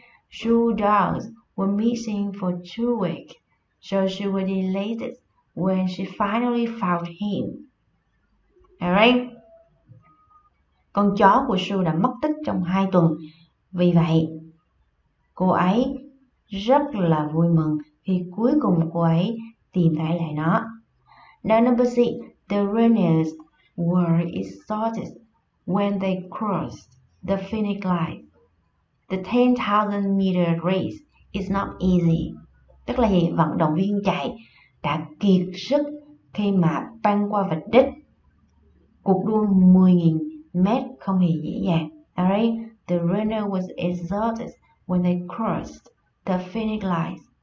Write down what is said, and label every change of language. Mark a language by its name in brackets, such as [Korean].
[English] Sue does were missing for 2 weeks, so she was delighted when she finally found him. Alright? [Vietnamese] Con chó của Sue đã mất tích trong 2 tuần. Vì vậy, cô ấy rất là vui mừng khi cuối cùng cô ấy tìm thấy lại nó. [English] Now number six, the runners were exhausted when they crossed the finish line. The 10,000 meter race is not easy. [Vietnamese] Tức là gì? Vận động viên chạy đã kiệt sức khi mà băng qua vạch đích. Cuộc đua 10.000 mét không hề dễ dàng. [English] Alright, the runner was exhausted when they crossed the finish line.